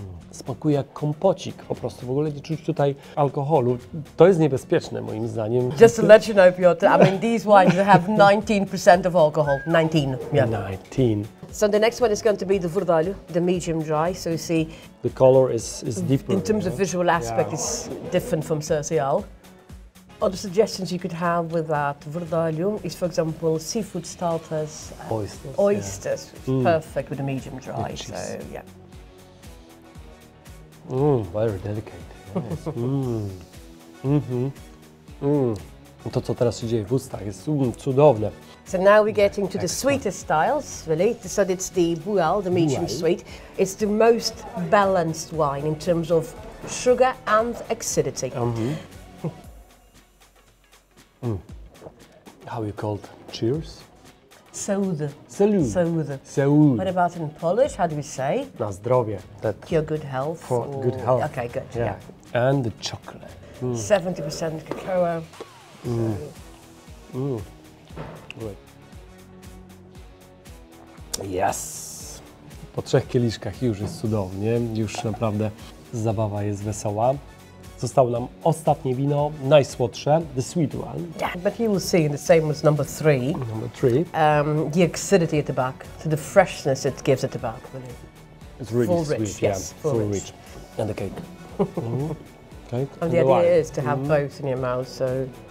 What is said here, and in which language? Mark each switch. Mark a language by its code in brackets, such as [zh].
[pl] Smakuje jak kompocik, po prostu w ogóle nie czuć tutaj alkoholu. To jest niebezpieczne moim zdaniem. [en] Just to let you know, Piotr, I mean these wines have 19% of alcohol. 19, yeah. 19. So the next one is going to be the Vourdalho, the medium dry. So you see, the color is deeper. In terms of visual aspect, yeah. It's different from Sercial. Other suggestions you could have with that Vourdalho is, for example, seafood starters. Oysters, yeah. Perfect with a medium dry, so yeah. Very delicate. Yes. [pl] To, co teraz się dzieje w ustach, jest cudowne. [en] So now we're getting to the sweetest styles, really. So it's the Buell, the medium sweet. It's the most balanced wine in terms of sugar and acidity. How are you called? Cheers? [pt] Saúde. [es] Salud. [pt] Saúde. Saúde. [en] What about in Polish? How do we say? [pl] Na zdrowie. [en] That your good health. For good health. Okay, good. Yeah. Yeah. And the chocolate. 70% cacao. Good. Yes. [pl] Po trzech kieliszkach już jest cudownie. Już naprawdę zabawa jest wesoła. Zostało nam ostatnie wino, najsłodsze, [en] the sweet one. Yeah, but you will see the same as number three. Number three. The acidity at the back, so the freshness it gives at the back. Really. It's really full sweet, rich, yeah. Yes, full rich. And the cake. Cake. And the idea is to have both in your mouth, so.